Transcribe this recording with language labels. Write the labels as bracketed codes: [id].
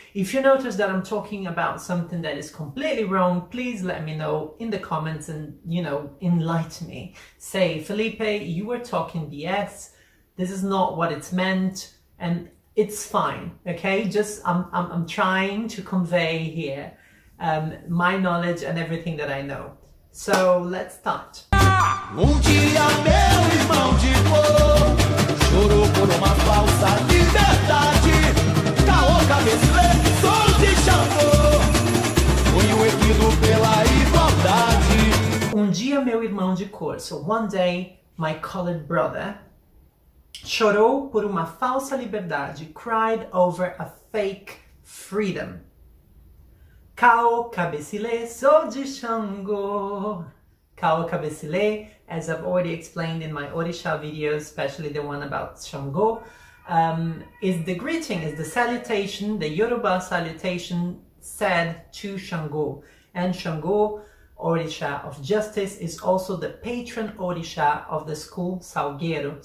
[en] If you notice that I'm talking about something that is completely wrong, please let me know in the comments and, you know, enlighten me. Say, Felipe, you were talking BS. This is not what it's meant. And it's fine. Okay. Just, I'm trying to convey here, my knowledge and everything that I know. So let's start. [pt] Um dia meu irmão de cor chorou por uma falsa liberdade. Caô, cabeça, sou de chamou. Fui o erguido pela igualdade. Um dia meu irmão de cor, [en] so one day my colored brother, [pt] chorou por uma falsa liberdade, [en] cried over a fake freedom. [pt] Caô, cabecilê, sou de Xangô. [en] Caô, cabecilê, as I've already explained in my Orixá videos, especially the one about Xangô, is the greeting, is the salutation, the Yoruba salutation said to Xangô. And Xangô, Orixá of Justice, is also the patron Orixá of the school Salgueiro.